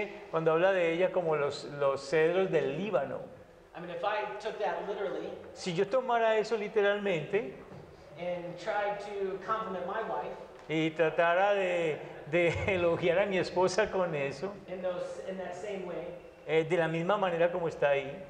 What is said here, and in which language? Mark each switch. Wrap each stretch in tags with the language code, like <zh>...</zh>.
<es>Cuando habla de ella como los cedros del Líbano.</es> <en>I mean, if I took that literally,</en> <es>si yo tomara eso literalmente.</es> <en>And tried to compliment my wife,</en> <es>y tratara de elogiar a mi esposa con eso.</es> <en>In that same way,</en> <es>de la misma manera como está ahí.</es>